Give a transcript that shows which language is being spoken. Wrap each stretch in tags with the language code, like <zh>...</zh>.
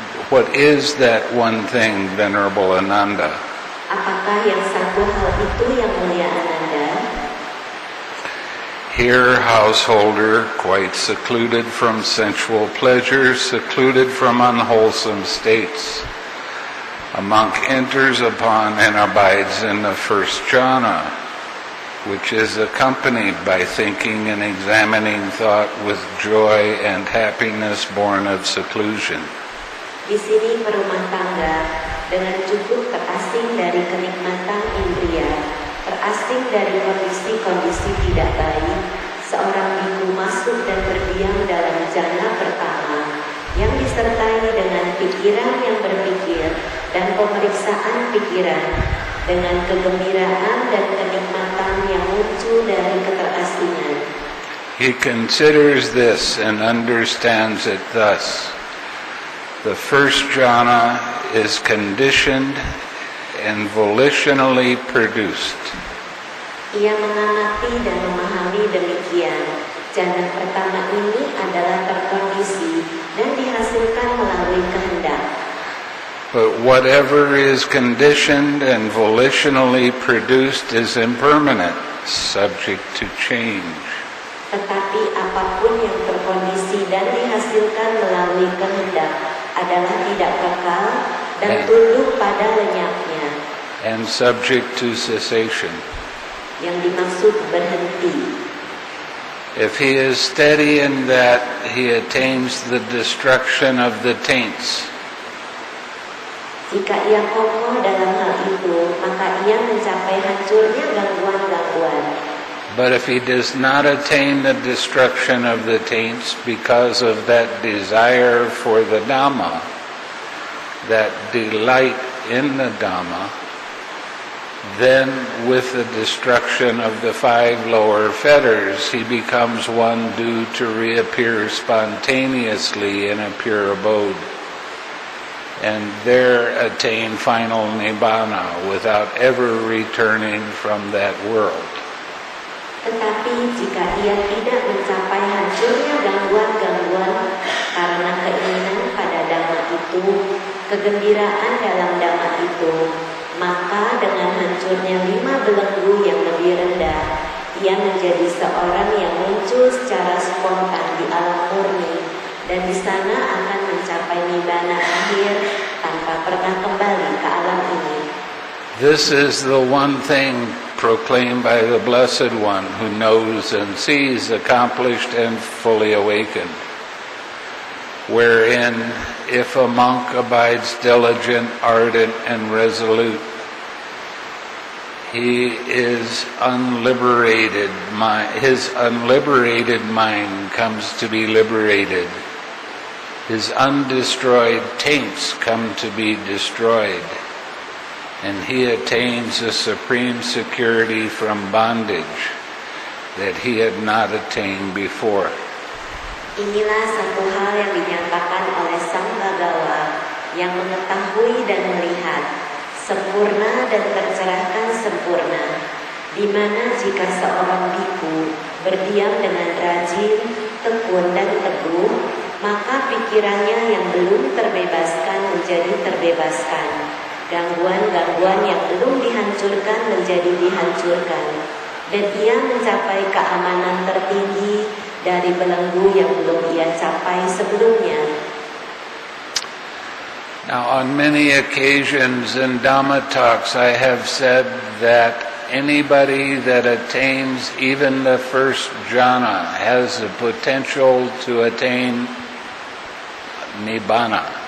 <en>What is that one thing, Venerable Ananda?</en> <id>Apakah yang satu hal itu, yang mulia Ananda?</id> <en>"Here, householder, quite secluded from sensual pleasures, secluded from unwholesome states, a monk enters upon and abides in the first jhana, which is accompanied by thinking and examining thought with joy and happiness born of seclusion."</en> <id>Di sini perumah tangga, dengan cukup terasing dari kenikmatan indria, terasing dari kondisi-kondisi tidak baik, seorang biku masuk dan berdiam dalam jhana pertama, yang disertai dengan pikiran yang berpikir dan pemeriksaan pikiran, dengan kegembiraan dan kenikmatan yang muncul dari keterasingan.</id> <en>He considers this and understands it thus. The first jhana is conditioned and volitionally produced.</en> <id>Ia mengamati dan memahami demikian. Jhana pertama ini adalah terkondisi dan dihasilkan melalui kehendak.</id> <en>But whatever is conditioned and volitionally produced is impermanent, subject to change.</en> <id>Tetapi apapun yang terkondisi dan dihasilkan melalui kehendak adalah tidak kekal dan tunduk pada lenyapnya.</id> <en>And subject to cessation.</en> <id>Yang dimaksud berhenti.</id> <en>If he is steady in that, he attains the destruction of the taints.</en> <id>Jika ia kokoh dalam hal itu, maka ia mencapai hancurnya gangguan-gangguan.</id> <en>But if he does not attain the destruction of the taints because of that desire for the Dhamma, that delight in the Dhamma, then with the destruction of the five lower fetters, he becomes one due to reappear spontaneously in a pure abode, and there attain final Nibbana without ever returning from that world.</en> <id>Tetapi jika ia tidak mencapai hancurnya gangguan-gangguan karena keinginan pada dhamma itu, kegembiraan dalam dhamma itu, maka dengan hancurnya lima belenggu yang lebih rendah, ia menjadi seorang yang muncul secara spontan di alam murni, dan di sana akan mencapai nibbana akhir tanpa pernah kembali ke alam ini.</id> <en>This is the one thing proclaimed by the Blessed One who knows and sees, accomplished and fully awakened, wherein if a monk abides diligent, ardent and resolute, he is unliberated, his unliberated mind comes to be liberated, his undestroyed taints come to be destroyed, and he attains a supreme security from bondage that he had not attained before.</en> <id>Inilah satu hal yang dinyatakan oleh Sang Bhagawa yang mengetahui dan melihat sempurna dan tercerahkan sempurna, di mana jika seorang bhikkhu berdiam dengan rajin, tekun dan teguh, maka pikirannya yang belum terbebaskan menjadi terbebaskan. Gangguan-gangguan yang belum dihancurkan menjadi dihancurkan, dan ia mencapai keamanan tertinggi dari belenggu yang belum ia capai sebelumnya.</id> <en>Now, on many occasions in Dhamma talks, I have said that anybody that attains even the first jhana has the potential to attain Nibbana.</en>